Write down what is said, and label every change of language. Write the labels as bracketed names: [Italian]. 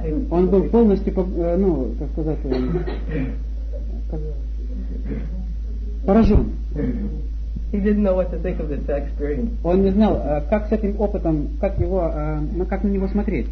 [Russian] Он был полностью, как сказать, поражен. [English] He didn't know what to think of this experience. [Russian] Он не знал, как с этим опытом, как его, на как на него смотреть.